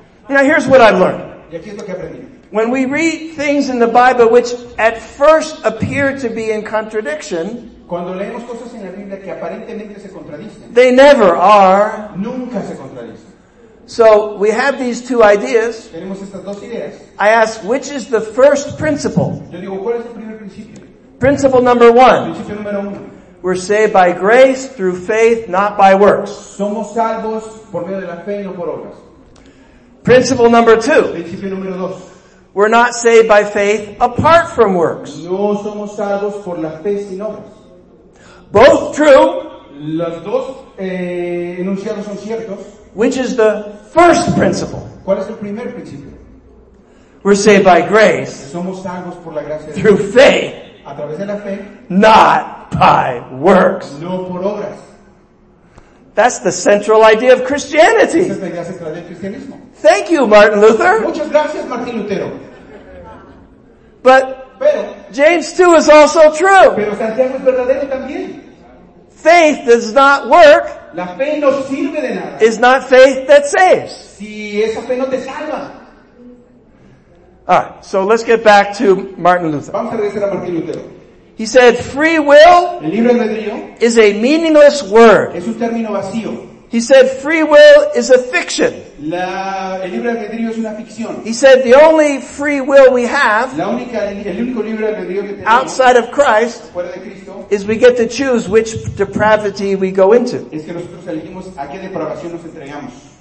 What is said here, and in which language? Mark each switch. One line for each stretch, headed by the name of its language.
English: Now here's what I've learned.
Spanish: Y aquí es lo que aprendí.
English: When we read things in the Bible which at first appear to be in contradiction,
Spanish: cuando leemos cosas en la Biblia que aparentemente se contradicen,
English: they never are.
Spanish: Nunca se contradicen.
English: So we have these two ideas.
Spanish: Tenemos estas dos ideas.
English: I ask, which is the first principle?
Spanish: Yo digo, ¿cuál es el primer principio?
English: Principle number one.
Spanish: Principio número uno.
English: We're saved by grace through faith, not by works.
Spanish: Somos salvos por medio de la fe y no por obras.
English: Principle number two.
Spanish: Principio número dos.
English: We're not saved by faith apart from works.
Spanish: No somos salvos por la fe sin obras.
English: Both true.
Spanish: Los dos enunciados son ciertos.
English: Which is the first principle?
Spanish: ¿Cuál es el primer principio?
English: We're saved by grace.
Spanish: Somos salvos por la gracia.
English: Through faith.
Spanish: A través de la fe.
English: Not by works.
Spanish: No por obras.
English: That's the central idea of Christianity.
Spanish: Esa es la idea central del cristianismo.
English: Thank you, Martin Luther.
Spanish: Muchas gracias, Martín Lutero.
English: But
Spanish: pero,
English: James 2 is also true.
Spanish: Pero Santiago es verdadero también.
English: Faith does not work.
Spanish: La fe no sirve de nada.
English: Is not faith that saves.
Spanish: Si esa fe no te salva.
English: Alright, so let's get back to Martin Luther.
Spanish: Vamos a regresar a Martín Lutero.
English: He said free will
Spanish: el libre albedrío
English: is a meaningless word.
Spanish: Es un término vacío.
English: He said free will is a fiction.
Spanish: La, el libre albedrío es una ficción.
English: He said the only free will we have
Spanish: la única, el único libre albedrío que tenemos
English: outside of Christ
Spanish: fuera de Cristo
English: is we get to choose which depravity we go into.
Spanish: Es que nosotros elegimos a qué depravación nos entregamos.